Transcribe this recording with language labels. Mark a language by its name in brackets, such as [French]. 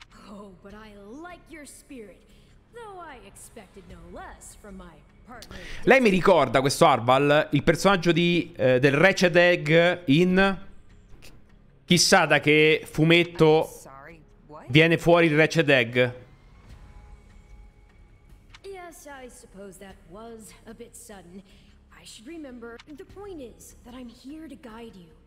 [English] Oh, but I like your spirit, though I expected no less from my partner. [Italian] Lei mi ricorda questo Arval, il personaggio di del Wretched Egg in chissà da che fumetto viene fuori il Wretched Egg. [English] Yes, I suppose that was a bit sudden. I should remember. The point is that I'm here to guide you.